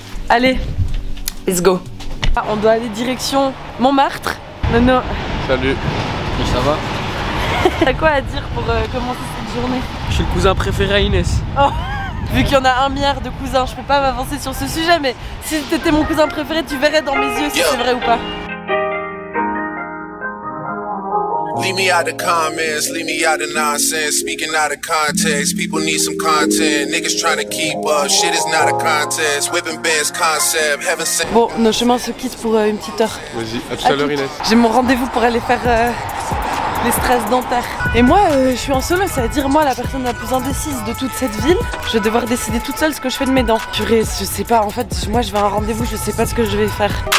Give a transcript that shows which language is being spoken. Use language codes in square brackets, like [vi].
[fr] Allez, [en] let's go. [fr] Ah, on doit aller direction Montmartre. Non, non. Salut. Mais ça va? T'as quoi à dire pour commencer cette journée? Je suis le cousin préféré à Inès. Oh. Vu qu'il y en a 1 milliard de cousins, je peux pas m'avancer sur ce sujet, mais si t'étais mon cousin préféré, tu verrais dans mes yeux si c'est vrai ou pas. [en] Leave me out of comments, leave me out of nonsense. Speaking out of context, people need some content. Niggas trying to keep up, shit is not a contest. Whipping bands concept, heaven sent. [fr] Bon, nos chemins se quittent pour une petite heure. Vas-y, à tout à l'heure Inès. J'ai mon rendez-vous pour aller faire les stress dentaires. Et moi, je suis en solo, c'est-à-dire moi, la personne la plus indécise de toute cette ville. Je vais devoir décider toute seule ce que je fais de mes dents. Purée, je sais pas, en fait, moi je vais à un rendez-vous, je sais pas ce que je vais faire.